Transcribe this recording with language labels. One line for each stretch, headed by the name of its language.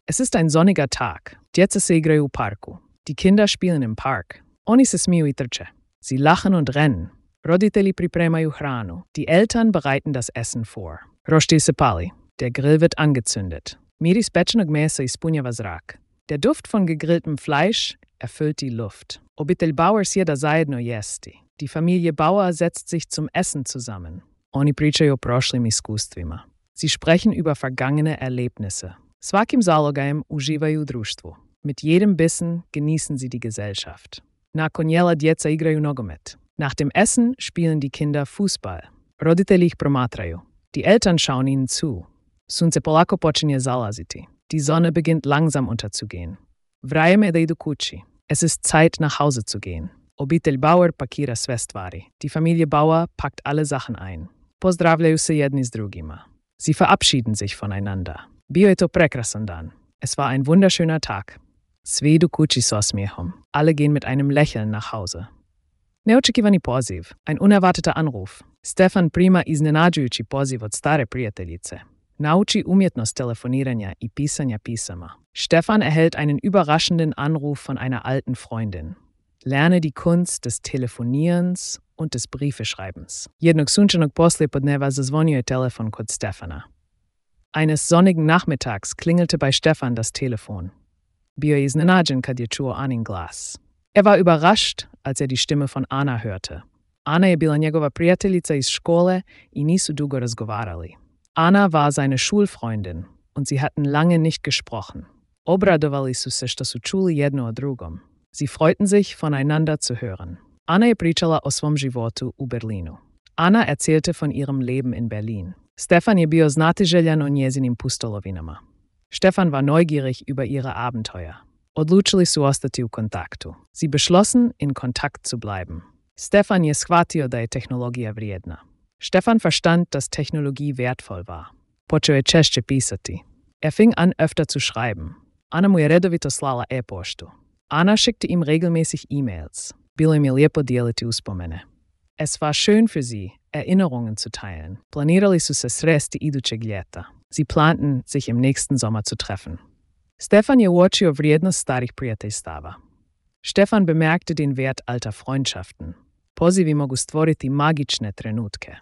German: Es ist ein sonniger Tag.
Croatian: Djeca se igraju u parku.
German: Die Kinder spielen im Park.
Croatian: Oni se smiju i trče.
German: Sie lachen und rennen.
Croatian: Roditelji pripremaju hranu.
German: Die Eltern bereiten das Essen vor.
Croatian: Roštilj se pali.
German: Der Grill wird angezündet.
Croatian: Miris pečenog mesa ispunjava zrak.
German: Der Duft von gegrilltem Fleisch erfüllt die Luft.
Croatian: Obitelj Bauer sjeda zajedno jesti.
German: Die Familie Bauer setzt sich zum Essen zusammen.
Croatian: Oni pričaju o prošlim iskustvima.
German: Sie sprechen über vergangene Erlebnisse.
Croatian: Svakim zalogajem uživaju društvu.
German: Mit jedem Bissen genießen sie die Gesellschaft.
Croatian: Nakon jela djeca igraju nogomet.
German: Nach dem Essen spielen die Kinder Fußball.
Croatian: Roditelji ih promatraju.
German: Die Eltern schauen ihnen zu.
Croatian: Sunce polako počinje zalaziti.
German: Die Sonne beginnt langsam unterzugehen.
Croatian: Vrijeme da idu kući.
German: Es ist Zeit, nach Hause zu gehen.
Croatian: Obitelj Bauer pakira sve stvari.
German: Die Familie Bauer packt alle Sachen ein.
Croatian: Pozdravljaju se jedni s drugima.
German: Sie verabschieden sich voneinander.
Croatian: Bio je to prekrasan dan.
German: Es war ein wunderschöner Tag.
Croatian: Sve idu kući s osmijehom.
German: Alle gehen mit einem Lächeln nach Hause.
Croatian: Neočekivani poziv.
German: Ein unerwarteter Anruf.
Croatian: Stefan prima iznenađujući poziv od stare prijateljice. Nauči umjetnost telefoniranja i pisanja pisama.
German: Stefan erhält einen überraschenden Anruf von einer alten Freundin. Lerne die Kunst des Telefonierens und des Briefeschreibens.
Croatian: Jednog sunčanog poslijepodneva zazvonio je telefon kod Stefana.
German: Eines sonnigen Nachmittags klingelte bei Stefan das Telefon.
Croatian: Bio je iznenađen kad je čuo Anin glas.
German: Er war überrascht, als er die Stimme von Anna hörte.
Croatian: Anna je bila njegova prijateljica iz škole i nisu dugo razgovarali.
German: Anna war seine Schulfreundin und sie hatten lange nicht gesprochen.
Croatian: Obradovali su se što su čuli jedno o drugom.
German: Sie freuten sich, voneinander zu hören.
Croatian: Anna je pričala o svom životu u Berlinu.
German: Anna erzählte von ihrem Leben in Berlin.
Croatian: Stefan je bio znatiželjan o njezinim pustolovinama.
German: Stefan war neugierig über ihre Abenteuer.
Croatian: Odlučili su ostati u kontaktu.
German: Sie beschlossen, in Kontakt zu bleiben.
Croatian: Stefan je shvatio da je tehnologija vrijedna.
German: Stefan verstand, dass Technologie wertvoll war.
Croatian: Počeo je češće pisati.
German: Er fing an, öfter zu schreiben.
Croatian: Anna mu je redovito slala e-poštu.
German: Anna schickte ihm regelmäßig E-Mails.
Croatian: Bilo mi lijepo dijeliti uspomene.
German: Es war schön für sie, Erinnerungen zu teilen.
Croatian: Planirali su se sresti idućeg ljeta.
German: Sie planten, sich im nächsten Sommer zu treffen.
Croatian: Stefan je uočio vrijednost starih prijateljstava.
German: Stefan bemerkte den Wert alter Freundschaften.
Croatian: Pozivi mogu stvoriti magične trenutke.